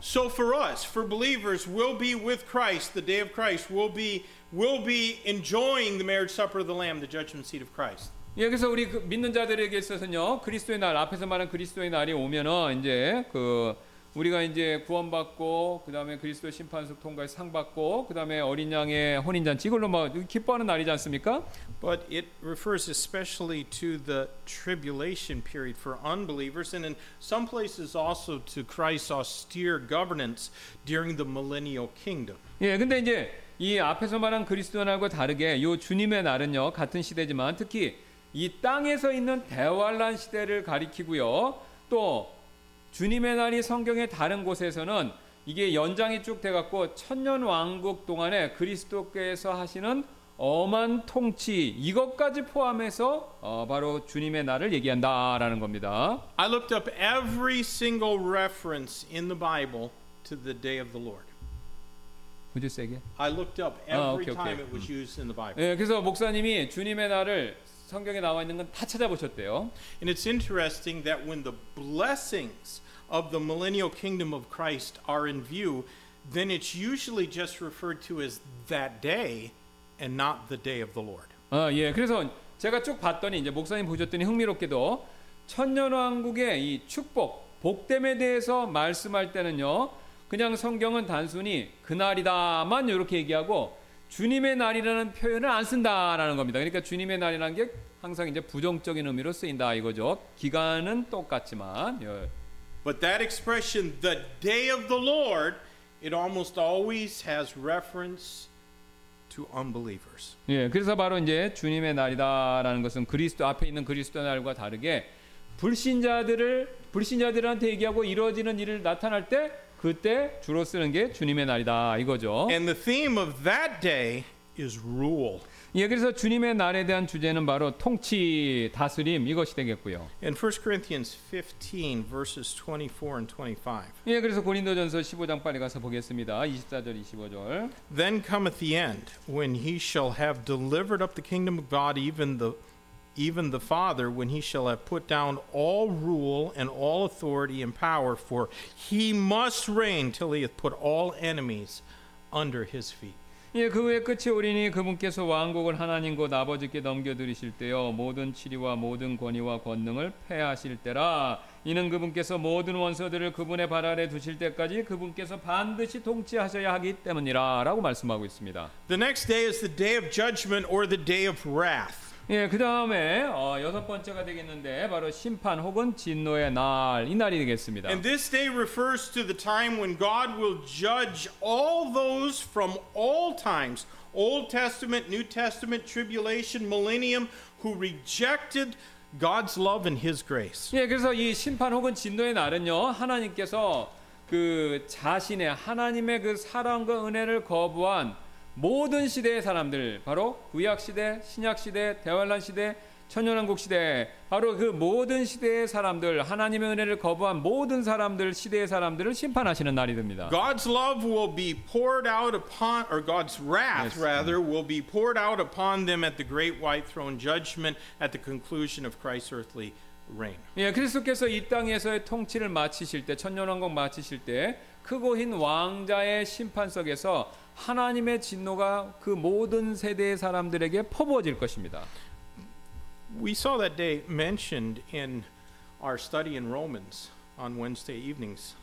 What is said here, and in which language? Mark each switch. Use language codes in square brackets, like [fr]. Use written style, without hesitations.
[en] So for us, for believers, we'll be with Christ. The day of Christ, we'll be enjoying the marriage supper of the Lamb, the judgment seat of Christ. [ko] 여기서 우리 믿는 자들에게 있어서는요, 그리스도의 날 앞에서 말한 그리스도의 날이 오면은 이제 그 우리가 이제 구원받고 그 다음에 그리스도의 심판석 통과에 상받고 그 다음에 어린 양의 혼인잔치 이걸로 막 기뻐하는 날이지 않습니까? [en] But it refers especially to the tribulation period for unbelievers and in some places also to Christ's austere governance during the millennial kingdom. [ko] 예, 근데 이제 이 앞에서 말한 그리스도의 날과 다르게 요 주님의 날은요 같은 시대지만 특히 이 땅에서 있는 대환란 시대를 가리키고요 또 주님의 날이 성경의 다른 곳에서는 이게 연장이 쭉 돼갖고 천년 왕국 동안에 그리스도께서 하시는 엄한 통치 이것까지 포함해서 바로 주님의 날을 얘기한다라는 겁니다. [en] I looked up every single reference in the Bible to the day of the Lord. Would you say again? I looked up every time it was used in the Bible. [ko] 예, 그래서 목사님이 주님의 날을 성경에 나와 있는 건 다 찾아보셨대요. [en] And it's interesting that when the blessings of the millennial kingdom of Christ are in view, then it's usually just referred to as that day and not the day of the Lord. [ko] 예. 그래서 제가 쭉 봤더니 이제 목사님 보셨더니 흥미롭게도 천년 왕국의 이 축복, 복됨에 대해서 말씀할 때는요. 그냥 성경은 단순히 그날이다만 이렇게 얘기하고 주님의 날이라는 표현을 안 쓴다라는 겁니다. 그러니까 주님의 날이라는 게 항상 이제 부정적인 의미로 쓰인다 이거죠. 기간은 똑같지만. [en] But that expression, the day of the Lord, it almost always has reference to unbelievers. [ko] 예, 그래서 바로 이제 주님의 날이다라는 것은 그리스도 앞에 있는 그리스도의 날과 다르게 불신자들한테 얘기하고 이루어지는 일을 나타날 때. 그때 주로 쓰는 게 주님의 날이다 이거죠. [en] And the theme of that day is rule. [ko] 예, 그래서 주님의 날에 대한 주제는 바로 통치, 다스림 이것이 되겠고요. [en] In 1 Corinthians 15 verses 24 and 25. [ko] 예, 그래서 고린도전서 15장 빨리 가서 보겠습니다. 24절, 25절. [en] Then cometh the end when he shall have delivered up the kingdom of God even the Father, when he shall have put down all rule and all authority and power, for he must reign till he hath put all enemies under his feet. [ko] 예, 그 후에 끝이 오리니 그분께서 왕국을 하나님 곧 아버지께 넘겨드리실 때요 모든 치리와 모든 권위와 권능을 폐하실 때라. 이는 그분께서 모든 원수들을 그분의 발 아래 두실 때까지 그분께서 반드시 통치하셔야 하기 때문이라 라고 말씀하고 있습니다. [en] The next day is the day of judgment or the day of wrath. [ko] 예, 그 다음에 여섯 번째가 되겠는데 바로 심판 혹은 진노의 날, 이 날이 되겠습니다. [en] And this day refers to the time when God will judge all those from all times, Old Testament, New Testament, Tribulation, Millennium, who rejected God's love and His grace. [ko] 예, 그래서 이 심판 혹은 진노의 날은요, 하나님께서 그 자신의 하나님의 그 사랑과 은혜를 거부한 모든 시대의 사람들, 바로 구약 시대, 신약 시대, 대환란 시대, 천년왕국 시대, 바로 그 모든 시대의 사람들, 하나님의 은혜를 거부한 모든 사람들, 시대의 사람들을 심판하시는 날이 됩니다. [en] God's love will be poured out upon, or God's wrath rather, will be poured out upon them at the great white throne judgment at the conclusion of Christ's earthly reign. [ko] 예, 그리스도께서 이 땅에서의 통치를 마치실 때, 천년왕국 마치실 때, 크고 흰 왕좌의 심판석에서 하나님의 진노가 그 모든 세대의 사람들에게 퍼부어질 것입니다. [en] We saw that day mentioned in our study in Romans on Wednesday evenings.